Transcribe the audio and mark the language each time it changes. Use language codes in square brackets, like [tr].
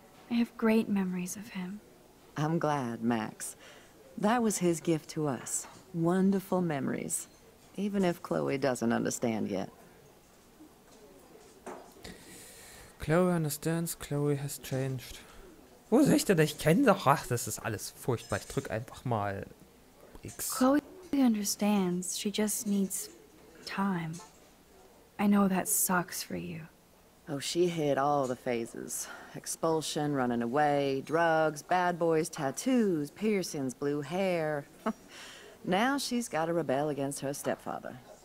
[en] I have great memories of him. I'm glad, Max. That was his gift to us. Wonderful memories. Even if Chloe doesn't understand yet. Chloe understands, Chloe has changed. [de] Wo soll ich denn? Ich kenne doch. Ach, das ist alles furchtbar. Ich drück einfach mal X. [en] Chloe understands. She just needs time. I know that sucks for you. Oh, she hit all the phases. Expulsion, running away, drugs, bad boys, tattoos, piercings, blue hair. Now she's got to rebel against her stepfather.